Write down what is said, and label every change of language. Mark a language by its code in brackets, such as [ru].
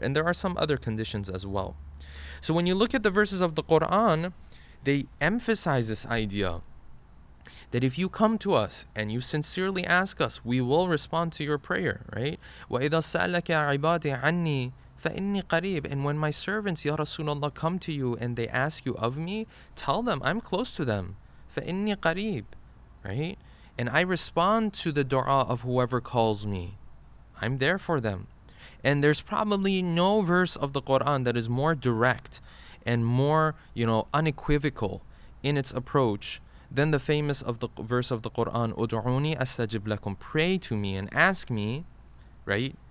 [en] And there are some other conditions as well. So when you look at the verses of the Quran, they emphasize this idea that if you come to us and you sincerely ask us, we will respond to your prayer, right? [ar] وَإِذَا سَأَلَكَ عِبَادِ عَنِّي فَإِنِّي قَرِيبٌ [en] And when my servants, Ya Rasulullah, come to you and they ask you of me, tell them, I'm close to them. [ar] فَإِنِّي قَرِيبٌ [en] Right? And I respond to the dua of whoever calls me. I'm there for them. And there's probably no verse of the Quran that is more direct and more, you know, unequivocal in its approach than the famous of the verse of the Quran, [ar] أُدْعُونِي أَسْتَجِبْ لَكُمْ [en] Pray to me and ask me, right?